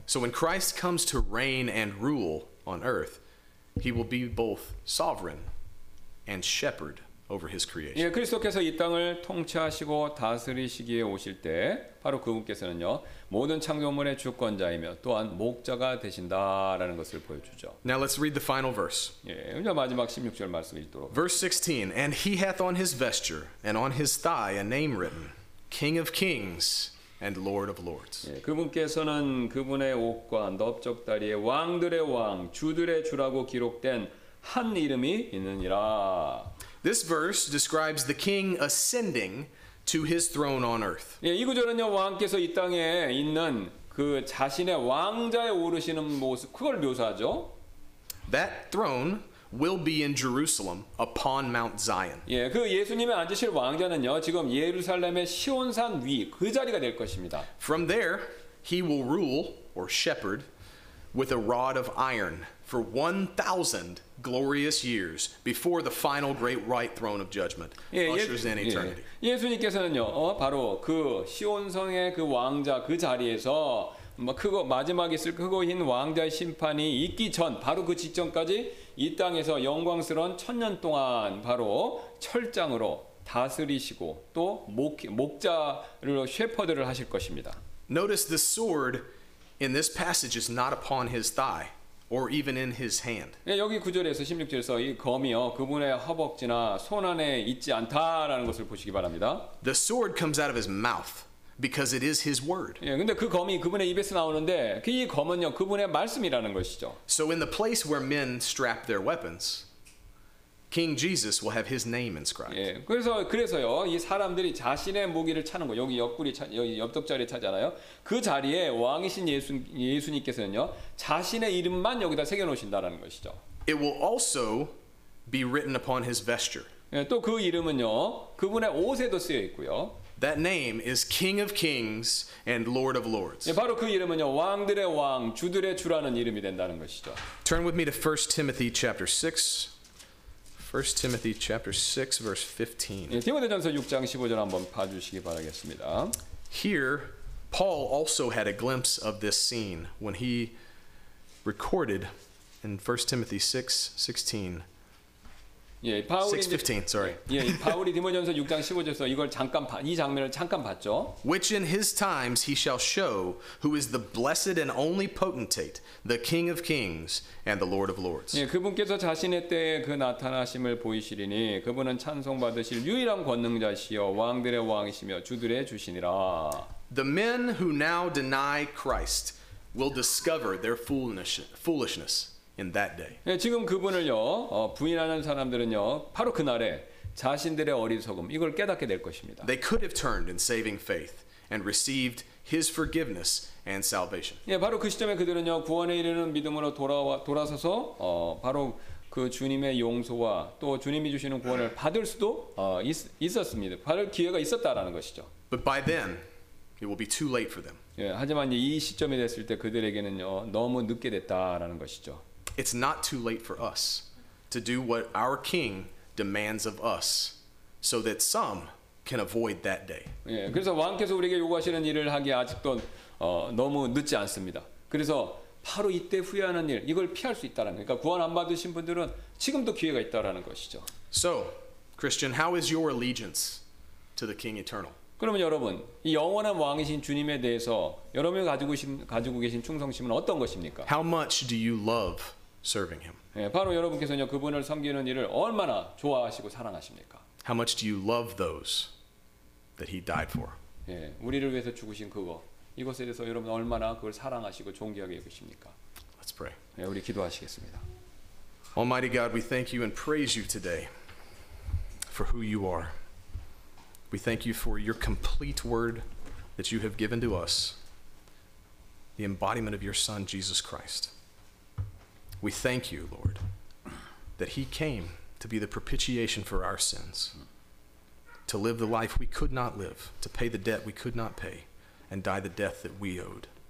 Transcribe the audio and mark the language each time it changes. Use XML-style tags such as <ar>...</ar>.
<en>So when Christ comes to reign and rule on earth, he will be both sovereign and shepherd over his creation.</en> <ko>예, 그리스도께서 이 땅을 통치하시고 다스리시기에 오실 때 바로 그분께서는요 모든 창조물의 주권자이며 또한 목자가 되신다라는 것을 보여주죠.</ko> <en>Now let's read the final verse.</en> <ko>예, 이제 마지막 16절 말씀 읽도록.</ko> <en>Verse 16, and he hath on his vesture and on his thigh a name written, King of Kings and Lord of Lords.</en> <ko>예, 그분께서는 그분의 옷과 넓적다리에 왕들의 왕, 주들의 주라고 기록된 한 이름이 있느니라.</ko> <en>This verse describes the king ascending to his throne on earth.</en> <ko>예, 이 구절은요, 왕께서 이 땅에 있는 그 자신의 왕좌에 오르시는 모습, 그걸 묘사하죠.</ko> <en>That throne will be in Jerusalem upon Mount Zion.</en> <ko>예, 그 예수님이 앉으실 왕좌는요, 지금 예루살렘의 시온산 위, 그 자리가 될 것입니다.</ko> <en>From there, he will rule or shepherd with a rod of iron for 1,000 glorious years before the final great right throne of judgment ushers in eternity.</en> <ko>예수님께서는요, 바로 그 시온성의 그 왕좌 그 자리에서 크고 마지막에 있을 크고 흰 왕좌의 심판이 있기 전 바로 그 직전까지 이 땅에서 영광스러운 천년 동안 바로 철장으로 다스리시고 또 목자를 셰퍼드를 하실 것입니다.</ko> <en>Notice the sword in this passage is not upon his thigh. Or even in his hand.</en> <ko>예, 여기 9절에서 16절에서 이 검이요 그분의 허벅지나 손 안에 있지 않다라는 것을 보시기 바랍니다.</ko> <en>The sword comes out of his mouth because it is his word.</en> <ko>예, 근데 그 검이 그분의 입에서 나오는데 그 이 검은요 그분의 말씀이라는 것이죠.</ko> <en>So in the place where men strap their weapons, King Jesus will have his name inscribed.</en> <ko>예, 그래서요 이 사람들이 자신의 무기를 차는 거 여기 옆구리 차 여기 옆덕자리 차잖아요. 그 자리에 왕이신 예수님께서는요 자신의 이름만 여기다 새겨놓으신다라는 것이죠.</ko> <en>It will also be written upon his vesture.</en> <ko>예, 또 그 이름은요 그분의 옷에도 쓰여 있고요.</ko> <en>That name is King of Kings and Lord of Lords.</en> <ko>예, 바로 그 이름은요 왕들의 왕 주들의 주라는 이름이 된다는 것이죠.</ko> <en>Turn with me to 1 Timothy chapter 6. 1 Timothy chapter 6 verse 15.</en> <ko>디모데전서 6장 15절 한번 봐 주시기 바라겠습니다.</ko> <en>Here Paul also had a glimpse of this scene when he recorded in 1 Timothy 6 16.</en> <ko>예, 바울이</ko> <en>6 15, sorry.</en> <ko>예, 바울이 디모데전서 6장 15절에서 이걸 잠깐 이 장면을 잠깐 봤죠.</ko> <en>Which in his times he shall show who is the blessed and only potentate, the King of Kings and the Lord of Lords.</en> <ko>예, 그분께서 자신의 때에 그 나타나심을 보이시리니 그분은 찬송받으실 유일한 권능자시여 왕들의 왕이시며 주들의 주시니라.</ko> <en>The men who now deny Christ will discover their foolishness in that day.</en> <ko>예, 지금 그분을요, 부인하는 사람들은요, 바로 그날에 자신들의 어리석음 이걸 깨닫게 될 것입니다.</ko> <en>They could have turned in saving faith and received His forgiveness and salvation.</en> <ko>예, 바로 그 시점에 그들은요, 구원에 이르는 믿음으로 돌아서서 바로 그 주님의 용서와 또 주님이 주시는 구원을 받을 수도 있었습니다. 받을 기회가 있었다라는 것이죠.</ko> <en>But by then, it will be too late for them.</en> <ko>예, 하지만 이 시점이 됐을 때 그들에게는요 너무 늦게 됐다라는 것이죠.</ko> <en>It's not too late for us to do what our King demands of us, so that some can avoid that day.</en> <ko>예, 그래서 왕께서 우리에게 요구하시는 일을 하기 아직도 너무 늦지 않습니다. 그래서 바로 이때 후회하는 일 이걸 피할 수 있다라는 거예요. 그러니까 구원 안 받으신 분들은 지금도 기회가 있다라는 것이죠.</ko> <en>So, Christian, how is your allegiance to the King Eternal?</en> <ko>그러면 여러분, 이 영원한 왕이신 주님에 대해서 여러분이 가지고 계신 충성심은 어떤 것입니까?</ko> <en>How much do you love serving him?</en> <ko>예, 바로 여러분께서는 그분을 섬기는 일을 얼마나 좋아하시고 사랑하십니까?</ko> <en>How much do you love those that he died for?</en> <ko>예, 우리를 위해서 죽으신 그거. 이것에 대해서 여러분 얼마나 그걸 사랑하시고 존귀하게 여기십니까?</ko> <en>Let's pray.</en> <ko>예, 우리 기도하시겠습니다.</ko> <en>Almighty God, we thank you and praise you today for who you are. We thank you for your complete word that you have given to us, the embodiment of your Son, Jesus Christ. We thank you, Lord, that he came to be the propitiation for our sins, to live the life we could not live, to pay the debt we could not pay, and die the death that we owed.</en>